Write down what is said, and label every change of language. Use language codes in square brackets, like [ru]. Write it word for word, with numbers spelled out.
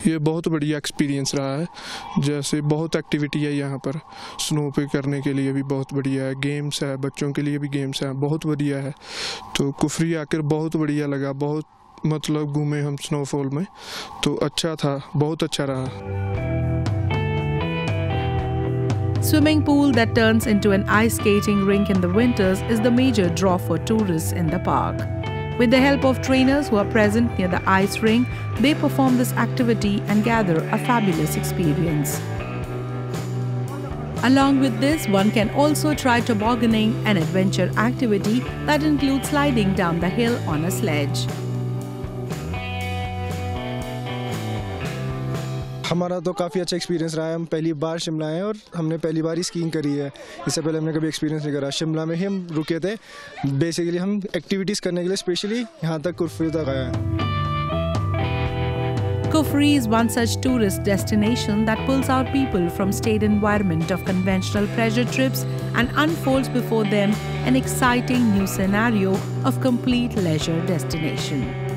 [hi] ये बहुत बढ़िया एक्सपीरियंस रहा है, जैसे बहुत एक्टिविटी है यहाँ पर स्नो पे करने के लिए भी, बहुत बढ़िया है। गेम्स है, बच्चों के लिए भी गेम्स है, बहुत बढ़िया है। तो कुफरी आकर बहुत बढ़िया लगा, बहुत मतलब घूमे हम स्नोफॉल में, तो अच्छा था, बहुत अच्छा रहा। [en] Swimming pool that turns into an ice skating rink in the winters is the major draw for tourists in the park. With the help of trainers who are present near the ice rink, they perform this activity and gather a fabulous experience. Along with this, one can also try tobogganing, an adventure activity that includes sliding down the hill on a sledge. [hi] हमारा तो काफ़ी अच्छा experience रहा है। हम पहली बार शिमला आए और हमने पहली बार ही स्कीइंग करी है, इससे पहले हमने कभी एक्सपीरियंस नहीं करा। शिमला में ही हम रुके थे, बेसिकली हम एक्टिविटीज़ करने के लिए स्पेशली यहाँ तक कुफरी तक आए हैं। [en] Kufri is one such tourist destination that pulls out people from staid environment of conventional pleasure trips and unfolds before them an exciting new scenario of complete leisure destination.